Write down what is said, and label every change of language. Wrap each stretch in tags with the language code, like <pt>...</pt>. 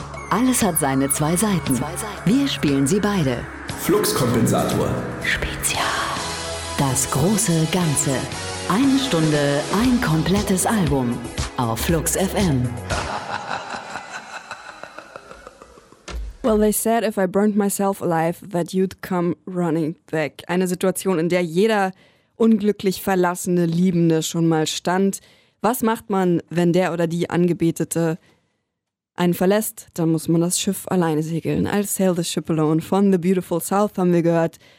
<de>Alles hat seine zwei Seiten. Wir spielen sie beide. Fluxkompensator. Spezial. Das große Ganze. Eine Stunde, ein komplettes Album. Auf Flux FM.</de> <en>Well, they said if I burned myself alive, that you'd come running back.</en> <de>Eine Situation, in der jeder unglücklich verlassene Liebende schon mal stand. Was macht man, wenn der oder die Angebetete einen verlässt? Dann muss man das Schiff alleine segeln.</de> <en>I'll sail the ship alone.</en> <de>Von The Beautiful South haben wir gehört.</de>